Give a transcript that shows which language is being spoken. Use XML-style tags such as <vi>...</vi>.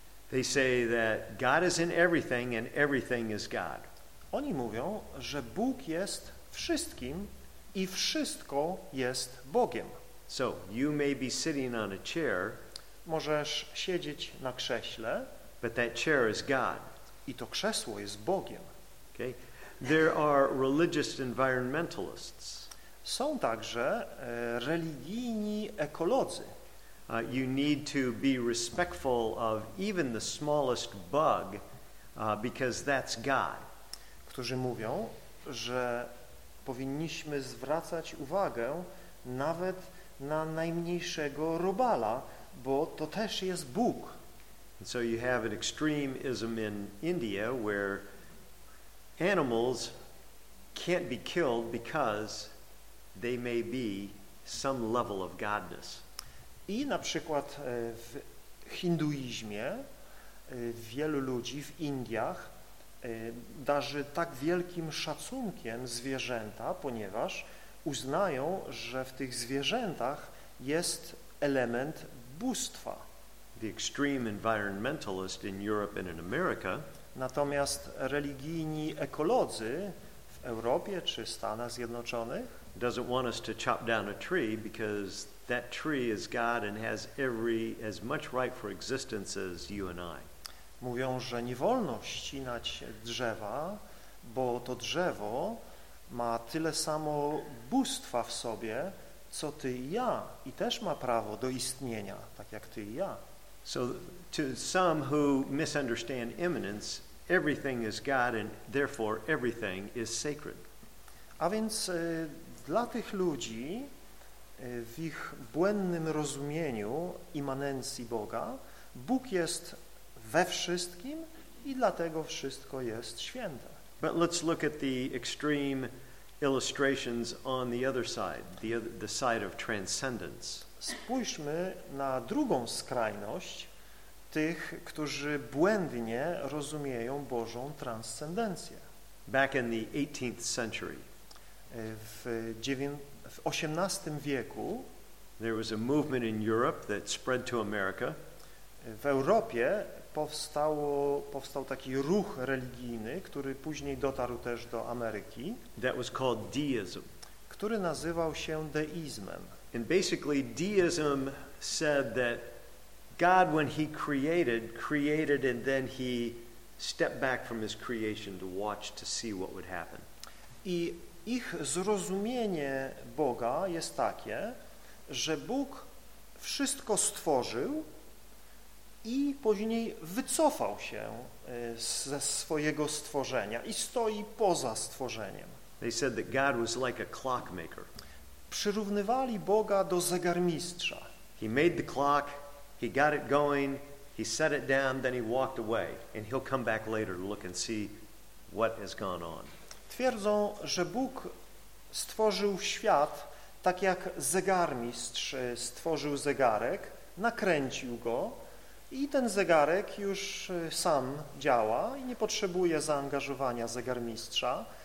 <en>They say that God is in everything and everything is God.</en> <pl>Oni mówią, że Bóg jest wszystkim i wszystko jest Bogiem.</pl> <en>So, you may be sitting on a chair.</en> <pl>Możesz siedzieć na krześle.</pl> <en>But that chair is God.</en> <pl>I to krzesło jest Bogiem.</pl> <en>Okay. There are religious environmentalists.</en> <pl>Są także religijni ekolodzy.</pl> <en>You need to be respectful of even the smallest bug, because that's God.</en> <pl>Którzy mówią, że powinniśmy zwracać uwagę nawet na najmniejszego robala, bo to też jest Bóg.</pl> <en>And so you have an extremism in India where animals can't be killed because they may be some level of godness.</en> <pl>I na przykład w hinduizmie wielu ludzi w Indiach darzy tak wielkim szacunkiem zwierzęta, ponieważ uznają, że w tych zwierzętach jest element bóstwa.</pl> <en>The extreme environmentalist in Europe and in America.</en> <pl>Natomiast religijni ekolodzy w Europie czy Stanach Zjednoczonych</pl> <en>doesn't want us to chop down a tree because that tree is God and has every as much right for existence as you and I.</en> <pl>Mówią, że nie wolno ścinać drzewa, bo to drzewo ma tyle samo bóstwa w sobie, co ty i ja, i też ma prawo do istnienia, tak jak ty i ja.</pl> <en>So to some who misunderstand immanence, everything is God and therefore everything is sacred.</en> <pl>A więc dla tych ludzi w ich błędnym rozumieniu immanencji Boga, Bóg jest we wszystkim i dlatego wszystko jest święte.</pl> <en>But let's look at the extreme illustrations on the other side, the side of transcendence.</en> <pl>Spójrzmy na drugą skrajność tych, którzy błędnie rozumieją Bożą transcendencję.</pl> <en>Back in the 18th century.</en> <pl>W XVIII wieku</pl> <en>there was a movement in Europe that spread to America.</en> <pl>W Europie powstał taki ruch religijny, który później dotarł też do Ameryki.</pl> <en>That was called deism.</en> <pl>Który nazywał się deizmem.</pl> <en>And basically deism said that God, when he created, created and then he stepped back from his creation to watch to see what would happen.</en> <pl>I ich zrozumienie Boga jest takie, że Bóg wszystko stworzył i później wycofał się ze swojego stworzenia i stoi poza stworzeniem.</pl> <en>They said that God was like a clockmaker.</en> <pl>Przyrównywali Boga do zegarmistrza.</pl> <en>He made the clock, he got it going, he set it down, then he walked away. And he'll come back later to look and see what has gone on.</en> <pl>Twierdzą, że Bóg stworzył świat tak jak zegarmistrz stworzył zegarek, nakręcił go i ten zegarek już sam działa i nie potrzebuje zaangażowania zegarmistrza.</pl>